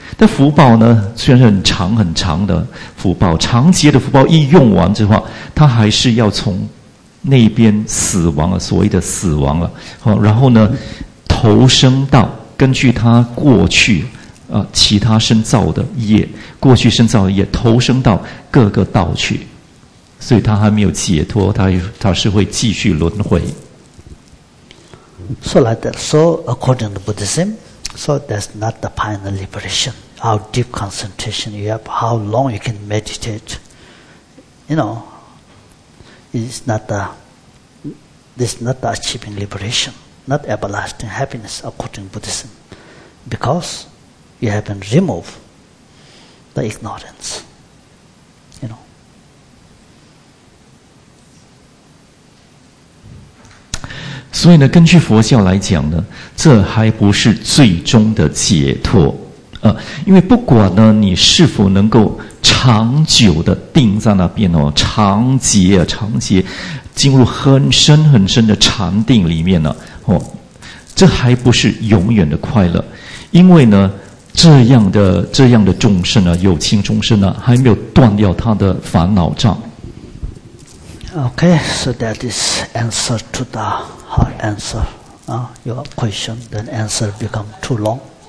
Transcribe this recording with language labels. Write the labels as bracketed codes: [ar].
[zh] 但福报呢，虽然是很长很长的福报，长劫的福报一用完之后，他还是要从那边死亡了，所谓的死亡了。然后呢，投生到根据他过去其他生造的业，过去生造的业投生到各个道去。所以他还没有解脱，他是会继续轮回。 [en] So like that. So according to Buddhism, so that's not the final liberation. How deep concentration you have, how long you can meditate, you know, it's not the achieving liberation, not everlasting happiness according to Buddhism, because you haven't removed the ignorance. [zh] 所以呢，根据佛教来讲呢，这还不是最终的解脱啊，因为不管呢你是否能够长久的定在那边哦，长劫进入很深很深的禅定里面呢、啊、哦，这还不是永远的快乐，因为呢这样的众生呢、啊，有情众生呢、啊，还没有断掉他的烦恼障。 [en] Okay, so that is answer to the. Hard answer, your question, then answer become too long.